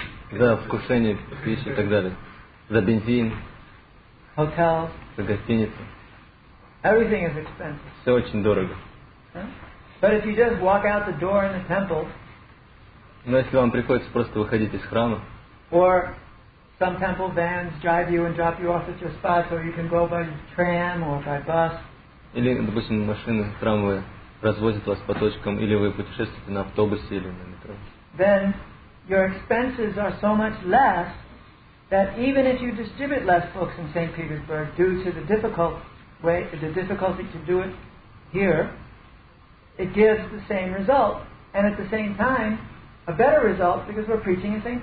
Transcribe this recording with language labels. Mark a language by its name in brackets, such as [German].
[Russian] За вкушение, пищу и так далее. За бензин. [English] Hotels. [Russian] За гостиницу. [English] Everything is expensive. [Russian] Все очень дорого. [English] But if you just walk out the door in the temple. [Russian] Но если вам приходится просто выходить из храма. [English] Or some temple vans drive you and drop you off at your spot, or you can go by tram or by bus. [Russian] Или, допустим, машины храмовые развозят вас по точкам, или вы путешествуете на автобусе или на метро. [English] Then your expenses are so much less that even if you distribute less books in St. Petersburg due to the difficult way, the difficulty to do it here, it gives the same result, and at the same time, a better result because we're preaching in St.